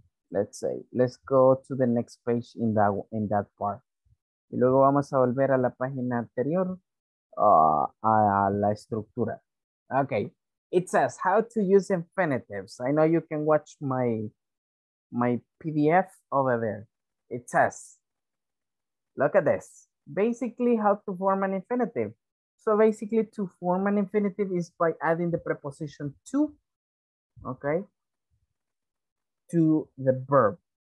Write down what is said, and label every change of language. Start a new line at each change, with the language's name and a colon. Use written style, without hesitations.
English: Let's go to the next page in that part.
Spanish: Y luego vamos a volver a la página anterior, a la estructura.
English: Okay. It says how to use infinitives. I know you can watch my PDF over there. It says, look at this. Basically, how to form an infinitive. So basically, to form an infinitive is by adding the preposition to, okay, to the verb.